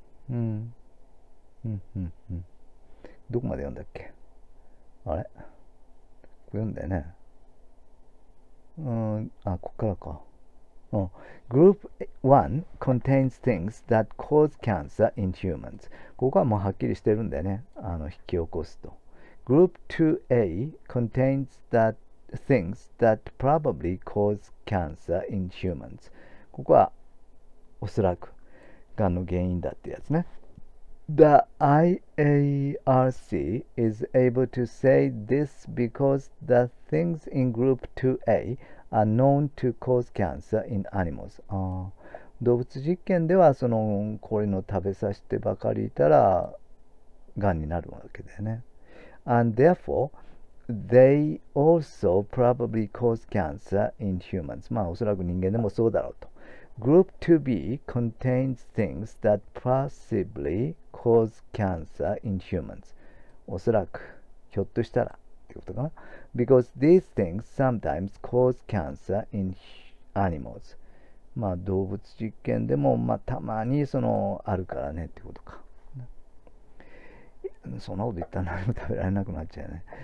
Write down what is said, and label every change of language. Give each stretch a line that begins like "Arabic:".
Japanese: どこまで読んだっけ？あれ？こう読んだよね。あ、こっからか。
English: Group 1 contains things that cause cancer in humans。
Japanese: ここはもうはっきりしてるんだよね。引き起こすと。
English: Group 2A contains that things that probably cause cancer in humans。
Japanese: ここはおそらくがんの原因だってやつね。
English: The IARC is able to say this because the things in Group 2A are known to cause cancer in animals。
Japanese: ああ、動物実験ではそのこういうのを食べさせてばかりいたらがんになるわけだよね。
English: And therefore, they also probably cause cancer in humans。
Japanese: まあおそらく人間でもそうだろうと。
English: Group 2B contains things that possibly cause cancer in humans。
Japanese: おそらく、ひょっとしたらってことかな。
English: Because these things sometimes cause cancer in animals。
Japanese: まあ動物実験でも、まあ、たまにそのあるからねってことか。そんなこと言ったら何も食べられなくなっちゃうね。